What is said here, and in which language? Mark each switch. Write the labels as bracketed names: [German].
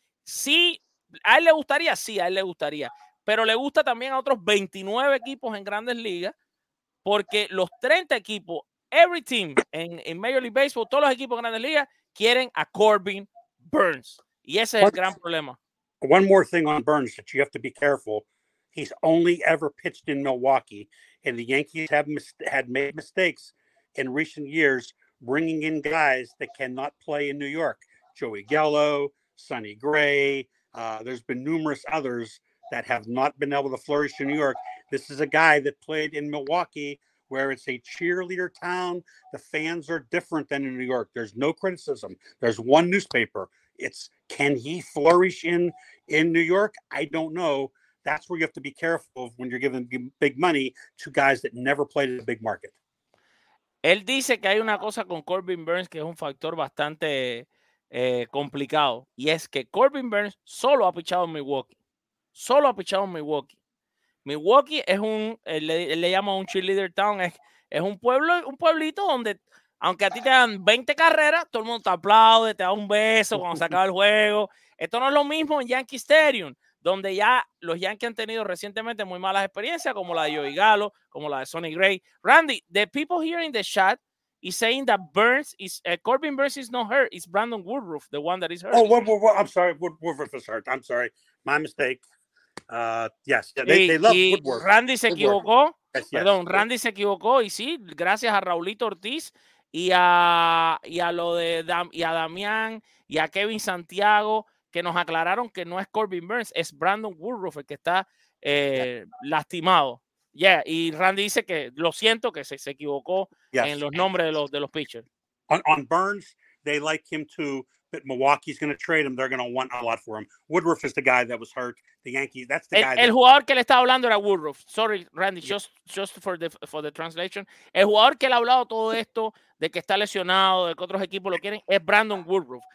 [Spanish] Sí, a él le gustaría, sí, a él le gustaría. Pero le gusta también a otros 29 equipos en Grandes Ligas, porque los 30 equipos, [English] every team [Spanish] en Major League Baseball, todos los equipos en Grandes Ligas, quieren a Corbin Burns. Y ese es el gran problema. [English] One more thing on Burns that you have to be careful. He's only ever pitched in Milwaukee, and the Yankees have had made mistakes in recent years bringing in guys that cannot play in New York. Joey Gallo, Sonny Gray, there's been numerous others that have not been able to flourish in New York. This is a guy that played in Milwaukee, where it's a cheerleader town. The fans are different than in New York. There's no criticism. There's one newspaper. It's can he flourish in New York? I don't know. That's where you have to be careful of when you're giving big money to guys that never played in a big market. [Spanish] Él dice que hay una cosa con Corbin Burns que es un factor bastante complicado. Y es que Corbin Burns solo ha pichado en Milwaukee. Solo ha pichado en Milwaukee. Milwaukee es un, él le llama un cheerleader town. Es un pueblo, un pueblito donde, aunque a ti te dan 20 carreras, todo el mundo te aplaude, te da un beso cuando se acaba el juego. Esto no es lo mismo en Yankee Stadium, donde ya los Yankees han tenido recientemente muy malas experiencias, como la de Joey Gallo, como la de Sonny Gray. [English] Randy, the people here in the chat is saying that Burns is, Corbin Burns is not hurt, it's Brandon Woodruff, the one that is hurt. Oh, well, I'm sorry, Woodruff is hurt, I'm sorry, my mistake. Yes, they love Woodruff. [Spanish] Randy se equivocó, Perdón, Randy se equivocó y sí, gracias a Raulito Ortiz y a Damián y a Kevin Santiago que nos aclararon que no es Corbin Burns, es Brandon Woodruff el que está lastimado. Yeah, y Randy dice que lo siento que se equivocó en los nombres de los pitchers. [English] On Burns, they like him too, but Milwaukee's going to trade him. They're going to want a lot for him. Woodruff is the guy that was hurt. The Yankees, that's the guy. [Spanish] El jugador que le estaba hablando era Woodruff. [English] Sorry, Randy, just for the translation. [Spanish] El jugador que le ha hablado todo esto de que está lesionado, de que otros equipos lo quieren, es Brandon Woodruff.